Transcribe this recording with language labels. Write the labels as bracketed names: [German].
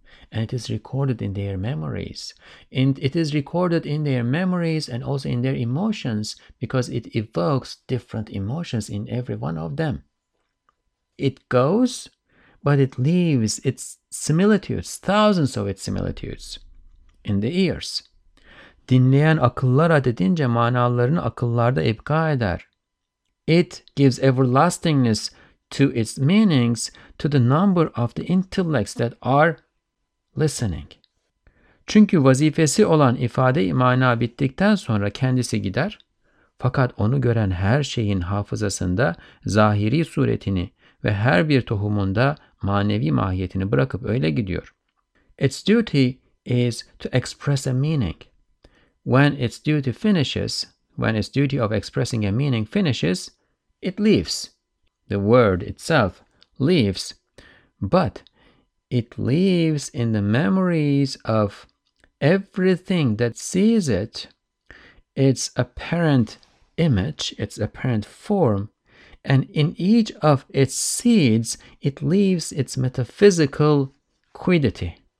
[English] and it is recorded in their memories. And it is recorded in their memories and also in their emotions because it evokes different emotions in every one of them. It goes, but it leaves its similitudes, thousands of its similitudes, in the ears. [Turkish] Dinleyen akıllar adedince manalarını akıllarda ibka eder. [English] It gives everlastingness to its meanings, to the number of the intellects that are listening. [Turkish] Çünkü vazifesi olan ifade-i mana bittikten sonra kendisi gider, fakat onu gören her şeyin hafızasında zahiri suretini ve her bir tohumunda manevi mahiyetini bırakıp öyle gidiyor. [English] Its duty is to express a meaning. When its duty finishes, when its duty of expressing a meaning finishes, it leaves. The word itself leaves, but it leaves in the memories of everything that sees it, its apparent image, its apparent form, and in each of its seeds, it leaves its metaphysical quiddity.